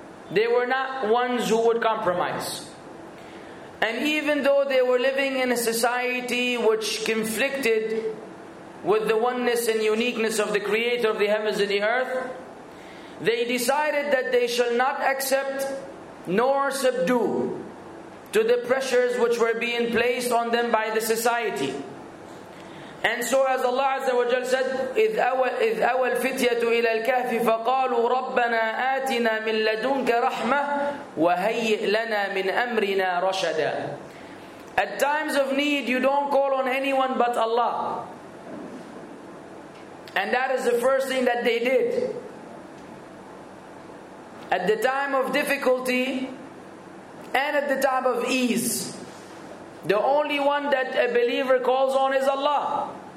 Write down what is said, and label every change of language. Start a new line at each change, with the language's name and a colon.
English: They were not ones who would compromise. And even though they were living in a society which conflicted with the oneness and uniqueness of the Creator of the heavens and the earth, they decided that they shall not accept nor subdue to the pressures which were being placed on them by the society. And so as Allah Azza wa Jal said,
Arabic: إِذْ أَوَى الْفِتْيَةُ إِلَى الْكَهْفِ فَقَالُوا رَبَّنَا آتِنَا مِنْ لَدُنْكَ رَحْمَةٌ وَهَيِّئْ لَنَا مِنْ أَمْرِنَا رَشَدًا.
English: At times of need, you don't call on anyone but Allah. And that is the first thing that they did. At the time of difficulty and at the time of ease, the only one that a believer calls on is Allah.